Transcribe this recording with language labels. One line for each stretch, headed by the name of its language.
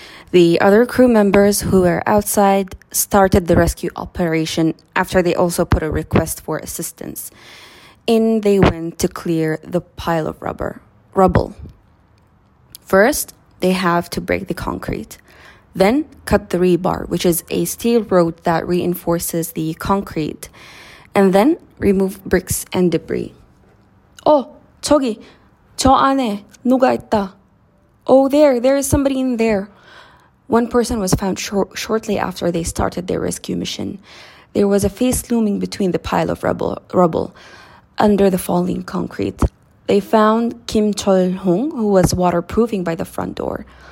English: The other crew members who were outside started the rescue operation after they also put a request for assistance. In they went to clear the pile of rubble. First, they have to break the concrete. Then cut the rebar, which is a steel rod that reinforces the concrete. And then remove bricks and debris.
Korean: Oh, 저기, 저 안에 누가 있다.
English: Oh, there is somebody in there. One person was found shortly after they started their rescue mission. There was a face looming between the pile of rubble under the falling concrete. They found Kim Chol-hong, who was waterproofing by the front door.